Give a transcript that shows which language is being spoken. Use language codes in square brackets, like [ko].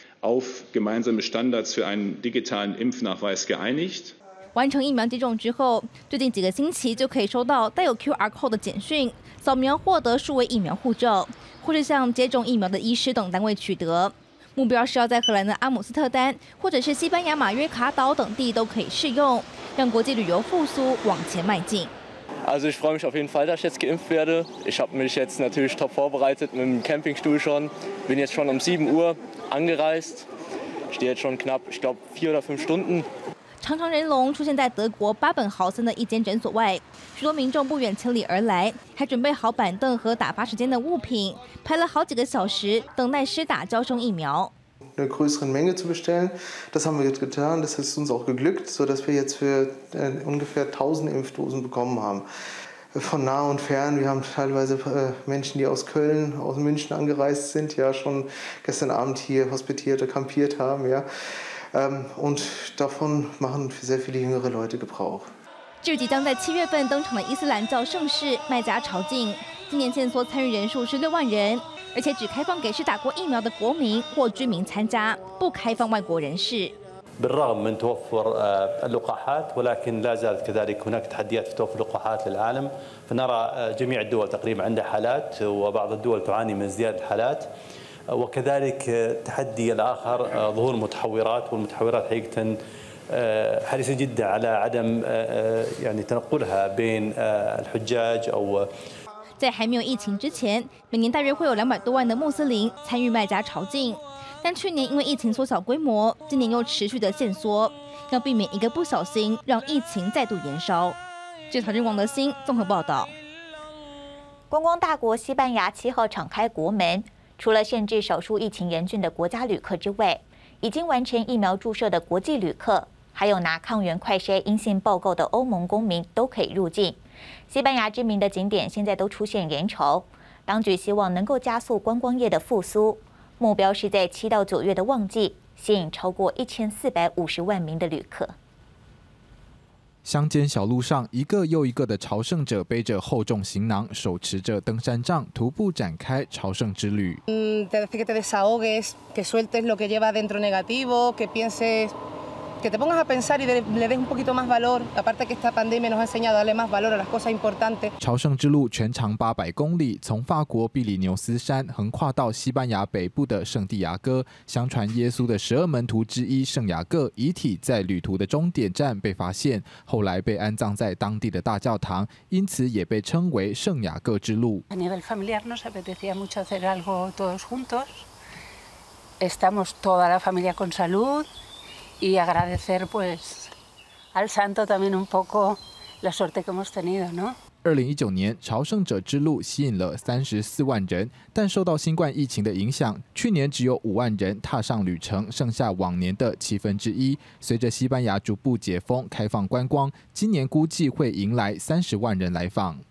[de] Auf gemeinsame Standards für einen digitalen Impfnachweis geeinigt. [zh] 完成疫苗接种之后，最近几个星期就可以收到带有 QR code 的简讯，扫描获得数位疫苗护照，或是向接种疫苗的医师等单位取得。目标是要在荷兰的阿姆斯特丹或者是西班牙马约卡岛等地都可以适用，让国际旅游复苏往前迈进。 [de] Also ich freue mich auf jeden Fall, dass ich jetzt geimpft werde. Ich habe mich jetzt natürlich top vorbereitet mit dem Campingstuhl schon. Bin jetzt schon um 7 Uhr angereist. Stehe jetzt schon knapp, ich glaube, 4 oder 5 Stunden. [zh] 长长人龙出现在德国巴本豪森的一间诊所外，许多民众不远千里而来，还准备好板凳和打发时间的物品，排了好几个小时等待施打胶胸疫苗。 [de] Eine größere Menge zu bestellen, das haben wir jetzt getan, das ist uns auch geglückt, sodass wir jetzt für ungefähr 1000 Impfdosen bekommen haben. Von nah und fern, wir haben teilweise Menschen, die aus Köln, aus München angereist sind, ja schon gestern Abend hier hospitiert, kampiert haben, ja. Und davon machen sehr viele jüngere Leute Gebrauch. [zh] 这即将在七月份登场的伊斯兰教盛世麦加朝觐，今年线索参与人数是6万人。而且只开放给是打过疫苗的国民或居民参加，不开放外国人士。 [ar] بالرغم من توفر اللقاحات، ولكن لا زالت كذلك هناك تحديات في توفر اللقاحات للعالم. فنرى جميع الدول تقريبا عندها حالات، وبعض الدول تعاني من زيادة الحالات. وكذلك تحدي الآخر ظهور متحورات، والمتحورات حقيقة حريصة جدا على عدم يعني تنقلها بين الحجاج أو. [zh] 在还没有疫情之前，每年大约会有200多万的穆斯林参与麦加朝觐，但去年因为疫情缩小规模，今年又持续的限缩，要避免一个不小心让疫情再度延烧。记者王德兴综合报道。观光大国西班牙七号敞开国门，除了限制少数疫情严峻的国家旅客之外，已经完成疫苗注射的国际旅客，还有拿抗原快筛阴性报告的欧盟公民都可以入境。西班牙知名的景点现在都出现人潮，当局希望能够加速观光业的复苏，目标是在7到9月的旺季吸引超过1450万名的旅客。乡间小路上，一个又一个的朝圣者背着厚重行囊，手持着登山杖，徒步展开朝圣之旅。 [es] Te desahogues, que sueltes lo que lleva dentro negativo, que pienses. Que te pongas a pensar y le des un poquito más valor. Aparte que esta pandemia nos ha enseñado a darle más valor a las cosas importantes. [zh] 朝圣之路全长800公里，从法国比利牛斯山横跨到西班牙北部的圣地亚哥。相传耶稣的12门徒之一圣雅各遗体在旅途的终点站被发现，后来被安葬在当地的大教堂，因此也被称为圣雅各之路。 [es] A nivel familiar nos apetecía mucho hacer algo todos juntos. Estamos toda la familia con salud. Y agradecer pues al santo también un poco la suerte que hemos tenido, ¿no? [zh] 2019年朝圣者之路吸引了34万人，但受到新冠疫情的影响，去年只有5万人踏上旅程，剩下往年的1/7。随着西班牙逐步解封开放观光，今年估计会迎来30万人来访。